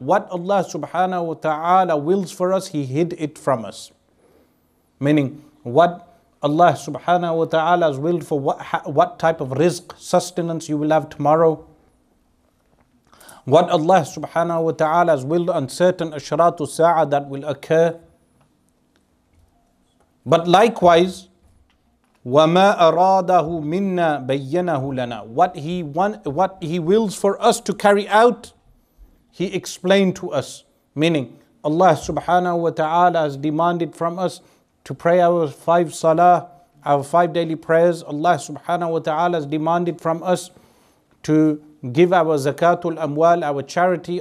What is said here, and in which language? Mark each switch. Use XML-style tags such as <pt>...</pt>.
<en>What Allah subhanahu wa ta'ala wills for us, He hid it from us. Meaning, what Allah subhanahu wa ta'ala has willed for what type of rizq, sustenance you will have tomorrow. What Allah subhanahu wa ta'ala has willed on certain ashratu sa'a that will occur. But likewise,</en> <ar>وَمَا أَرَادَهُ مِنَّا بَيَّنَهُ لَنَا.</ar> <en>What he wills for us to carry out, He explained to us. Meaning, Allah subhanahu wa ta'ala has demanded from us to pray our five salah, our five daily prayers. Allah subhanahu wa ta'ala has demanded from us to give our zakatul amwal, our charity.</en>